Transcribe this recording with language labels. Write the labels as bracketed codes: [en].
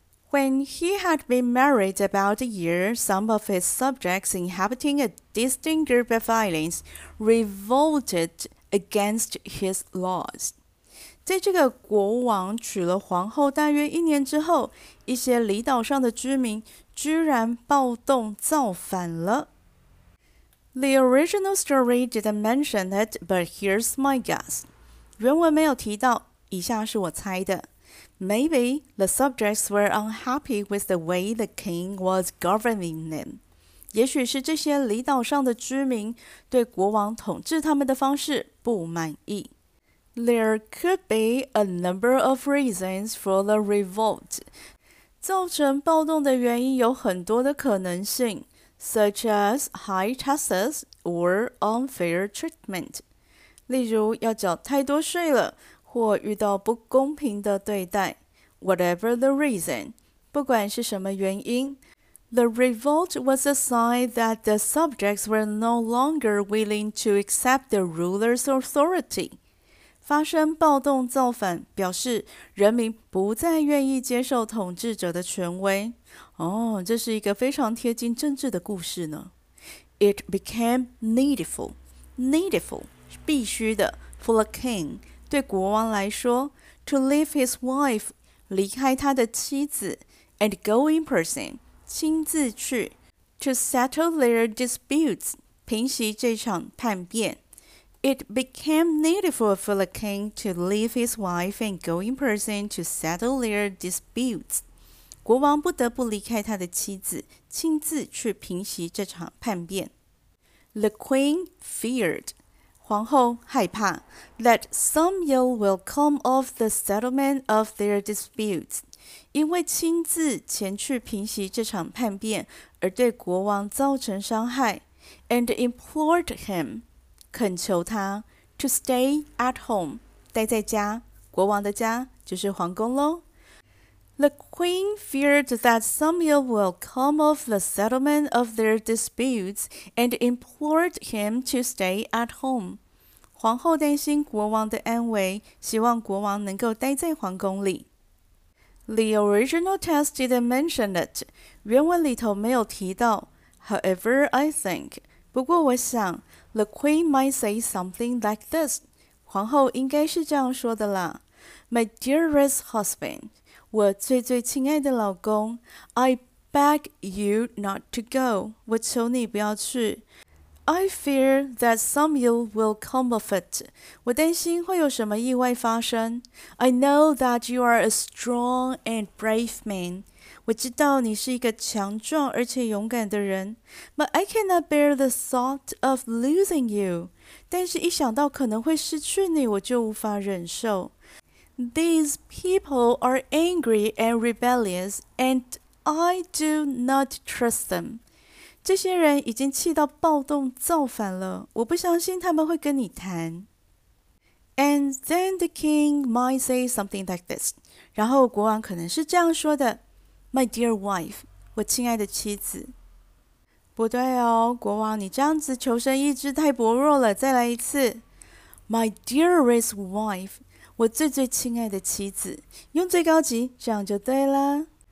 [en] When he had been married about a year, some of his subjects inhabiting a distant group of islands revolted against his laws. [zh] 在这个国王娶了皇后大约一年之后，一些离岛上的居民居然暴动造反了。 [en] The original story didn't mention it, but here's my guess. [zh] 原文没有提到，以下是我猜的。 [en] Maybe the subjects were unhappy with the way the king was governing them. [zh] 也许是这些离岛上的居民对国王统治他们的方式不满意。 [en] There could be a number of reasons for the revolt. [zh] 造成暴动的原因有很多的可能性 [en] ,such as high taxes or unfair treatment. [zh] 例如要缴太多税了，或遇到不公平的对待。 [en] Whatever the reason, [zh] 不管是什么原因 [en] ，the revolt was a sign that the subjects were no longer willing to accept the ruler's authority. [zh] 发生暴动造反，表示人民不再愿意接受统治者的权威。哦，这是一个非常贴近政治的故事呢。 [en] It became needful, needful. [zh] 必须的 ， [en] for a king， [zh] 对国王来说 [en] ，to leave his wife， [zh] 离开他的妻子 [en] ，and go in person， [zh] 亲自去 [en] ，to settle their disputes， [zh] 平息这场叛变。 [en] It became needful for the king to leave his wife and go in person to settle their disputes。 [zh] 国王不得不离开他的妻子，亲自去平息这场叛变。 [en] The queen feared, [zh] 皇后害怕, [en] that some ill will come of the settlement of their disputes, [zh] 因为亲自前去平息这场叛变而对国王造成伤害, [en] and implored him, [zh] 恳求他, [en] to stay at home, [zh] 待在家,国王的家就是皇宫咯。 [en] The queen feared that some ill will come of the settlement of their disputes and implored him to stay at home. [zh] 皇后担心国王的安危，希望国王能够待在皇宫里。 [en] The original text didn't mention it. [zh] 原文里头没有提到。 [en] However, I think. [zh] 不过我想 [en] ,the queen might say something like this. [zh] 皇后应该是这样说的啦。 [en] My dearest husband. [zh] 我最最亲爱的老公 [en] I beg you not to go. [zh] 我求你不要去。 [en] I fear that some ill will come of it. [zh] 我担心会有什么意外发生。 [en] I know that you are a strong and brave man. [zh] 我知道你是一个强壮而且勇敢的人。 [en] But I cannot bear the thought of losing you. [zh] 但是一想到可能会失去你我就无法忍受。 [en] These people are angry and rebellious, and I do not trust them. [zh] 这些人已经气到暴动造反了，我不相信他们会跟你谈。 [en] And then the king might say something like this. [zh] 然后国王可能是这样说的 [en] My dear wife, [zh] 我亲爱的妻子。不对哦，国王，你这样子求生意志太薄弱了，再来一次。 [en] My dearest wife, [zh] 我最最亲爱的妻子，用最高级，这样就对了。